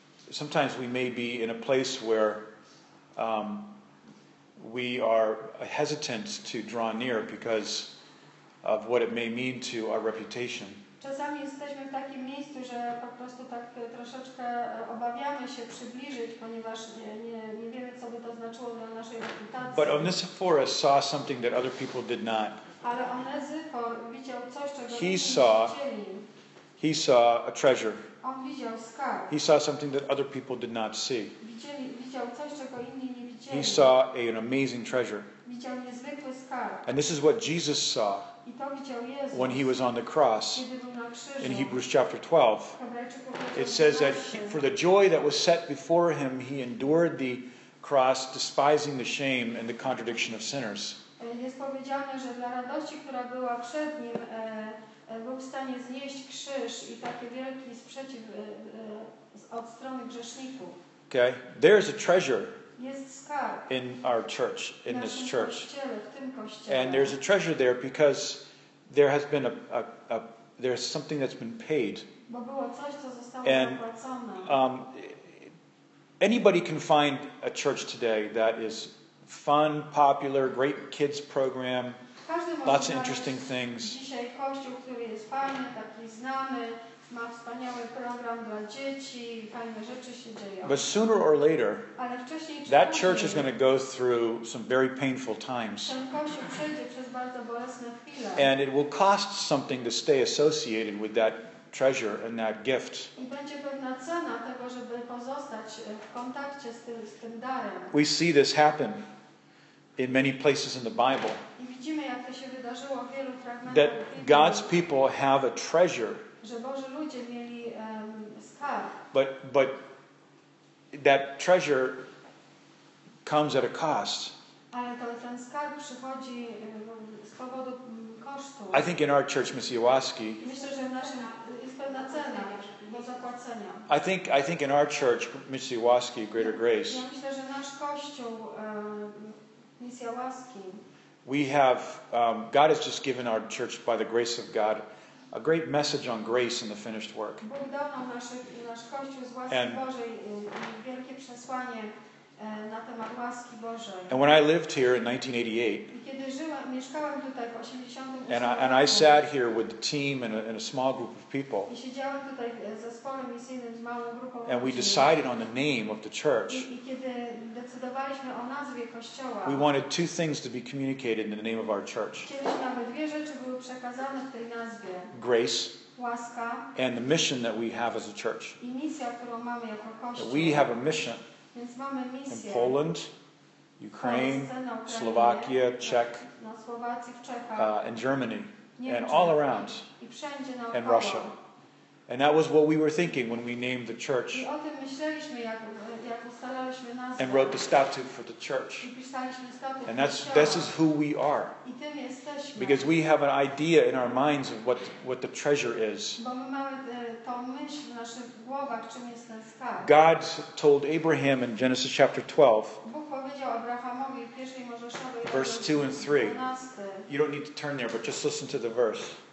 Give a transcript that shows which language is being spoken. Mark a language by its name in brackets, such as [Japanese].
[English] Sometimes we may be in a place where we are hesitant to draw near because of what it may mean to our reputation. [Polish] Czasami jesteśmy w takim miejscu, że po prostu tak troszeczkę obawiamy się przybliżyć, ponieważ nie wiemy, co by to znaczyło dla naszej reputacji. [English] But Onesiphorus saw something that other people did not. [Polish] Ale Onesiphor widział coś, czego [English] he saw, he saw a treasure. [Polish] On widział skarb. [English] He saw something that other people did not see. [Polish] Widział coś, czego inni nie widzieli. [English] He saw an amazing treasure. [Polish] Widział niezwykły skarb. [English] And this is what Jesus saw when he was on the cross in Hebrews chapter 12. It says that for the joy that was set before him, he endured the cross, despising the shame and the contradiction of sinners. [Polish] Jest powiedziane, że dla radości, która była przed nim, był w stanie znieść krzyż i taki wielki sprzeciw od strony grzeszników. [English] Okay, there's a treasure. [Polish] Jest skarb [English] in our church, in this church. [Polish] Kościele, w tym kościele. [English] And there's a treasure there because there has been a there's something that's been paid. [Polish] Bo było coś, co zostało zapłacone. [English] Anybody can find a church today that is fun, popular, great kids program, lots of interesting things. [Polish] Dzisiaj kościół, który jest fajny, taki znany, ma wspaniały program dla dzieci, fajne rzeczy się dzieją. [English] But sooner or later, [Polish] ale wcześniej, [English] that church is going to go through some very painful times. [Polish] Ten kościół przejdzie przez bardzo bolesne chwile. [English] And it will cost something to stay associated with that treasure and that gift. [Polish] I będzie pewna cena tego, żeby pozostać w kontakcie z tym darem. [English] We see this happen in many places in the Bible. [Polish] I widzimy, jak to się wydarzyło w wielu fragmentach. [English] That God's people have a treasure. [Polish] Że Boży ludzie mieli skarb. [English] But that treasure comes at a cost. [Polish] Ale to ten skarb przychodzi z powodu kosztu. [English] I think in our church, Misiłowski. [Polish] Myślę, że w naszym jest pewna cena do zapłacenia. [English] I think in our church, Misiłowski, Greater Grace. [Polish] Ja myślę, że nasz kościół Misiłowski. [English] We have God has just given our church by the grace of God a great message on grace and the finished work. [Polish] Bóg dał nam nasz kościół z łaski [English] and, [Polish] Bożej wielkie przesłanie na temat łaski Bożej. [English] And when I lived here in 1988, [Polish] kiedy mieszkałem tutaj w 88 [English] and I sat here with the team and a small group of people. [Polish] I siedziałem tutaj z zespołem misyjnym, z małą grupą. [English] And we decided on the name of the church. [Polish] I kiedy decydowaliśmy o nazwie kościoła. [English] We wanted two things to be communicated in the name of our church. [Polish] Chcieliśmy, aby dwie rzeczy były przekazane w tej nazwie. [English] Grace. [Polish] Łaska. [English] And the mission that we have as a church. [Polish] I misja, którą mamy jako kościół. [English] We have a mission. [Polish] Więc mamy misję. [English] In Poland, Ukraine, [Polish] Ukrainie, [English] Slovakia, Czech, [Polish] na Słowacji, w Czechach, [English] and Germany, and all around, [Polish] i wszędzie [English] and Russia. And that was what we were thinking when we named the church. [Polish] I o tym myśleliśmy, jak ustalaliśmy nazwę. [English] And wrote the statute for the church. [Polish] I pisaliśmy statut. [English] And that's, this is who we are. [Polish] I tym jesteśmy. [English] Because we have an idea in our minds of what the treasure is. [Polish] Bo my mamy tą myśl w naszych głowach, czym jest ten skarb. [English] God told Abraham in Genesis chapter 12. [Polish] Bóg powiedział Abrahamowi w pierwszej Mojżeszowej. [English] Verse 2 and 3. You don't need to turn there, but just listen to the verse.